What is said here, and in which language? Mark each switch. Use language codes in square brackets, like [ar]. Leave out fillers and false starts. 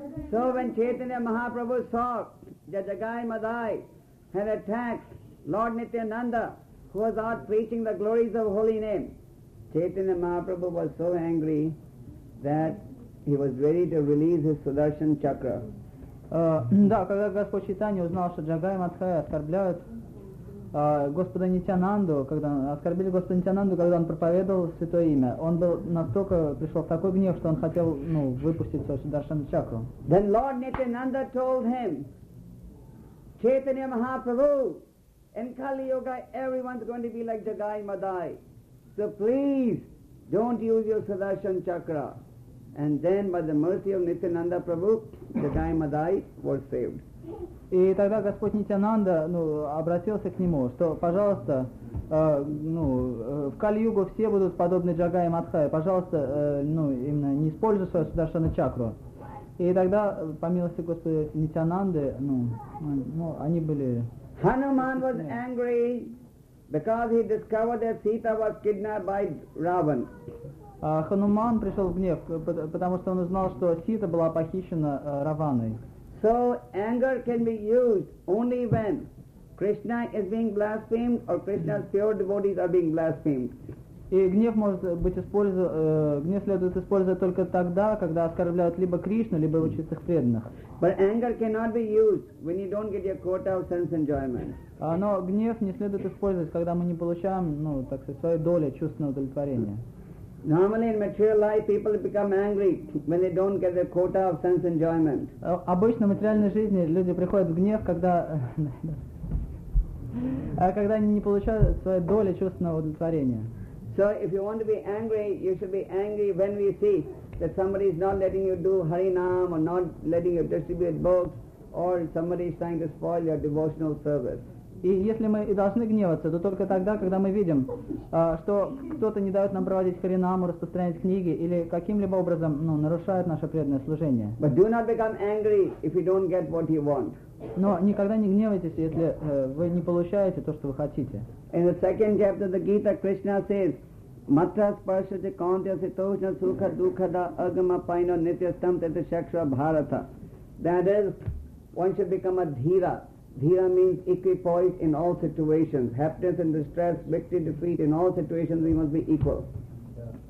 [en] So when Chaitanya Mahaprabhu saw that Jagai Madai had attacked Lord Nityananda, who was out preaching the glories of holy name, Chaitanya Mahaprabhu was so angry that he was ready to release his Sudarshan Chakra. [ru] Да, когда Господь Чайтанья узнал, что Джагай Мадхай оскорбляют Господа Нитянанду, когда оскорбили Господа Нитянанду, когда он проповедовал Святое Имя, он был настолько, пришел в такой гнев, что он хотел, ну, выпустить свою Сударшану Чакру. [en] Then Lord Nityananda told him, Chaitanya Mahaprabhu, in Kali Yoga everyone's going to be like Jagai Madai. So please, don't use your Sudarshana Chakra. And then by the mercy of Nityananda Prabhu, Jagai Madai was saved. [ru] И тогда Господь Нитянанда, ну, обратился к нему, что, пожалуйста, ну, в Кали-Югу все будут подобны Джагай и Мадхай, пожалуйста, ну, именно не используй свою Сударшану Чакру. И тогда, по милости Господа Нитянанды, ну, они были... [en] Hanuman was angry because he discovered that Sita was kidnapped by Ravan. [ru] Хануман пришел в гнев, потому что он узнал, что Сита была похищена Раваной. [en] So anger can be used only when Krishna is being blasphemed or Krishna's pure devotees are being blasphemed. [ru] И гнев может быть использован, гнев следует использовать только тогда, когда оскорбляют либо Кришну, либо его чистых преданных. [en] But anger cannot be used when you don't get your quota of sense enjoyment. [ru] Но гнев не следует использовать, когда мы не получаем, ну, так сказать, свою долю чувственного удовлетворения. [en] Normally in material life people become angry when they don't get their quota of sense enjoyment. [ru] Обычно в материальной жизни люди приходят в гнев, когда когда они не получают свою долю чувственного удовлетворения. [en] So if you want to be angry, you should be angry when we see that somebody is not letting you do Harinam or not letting you distribute books or somebody is trying to spoil your devotional service. [ru] И если мы и должны гневаться, то только тогда, когда мы видим, что кто-то не дает нам проводить харинаму, распространять книги или каким-либо образом, ну, нарушает наше преданное служение. [en] But do not become angry if you don't get what you want. [ru] Но никогда не гневайтесь, если вы не получаете то, что вы хотите. [en] In the second chapter of the Gita, Krishna says, [sa] Matra sparshati kaunti asitoshna sukha dukhada agama paino nityastam tete shakshra bharata. [en] That is, one should become a dhira. Dhira means equipoise in all situations. Happiness and distress, victory, defeat, in all situations we must be equal. Yeah.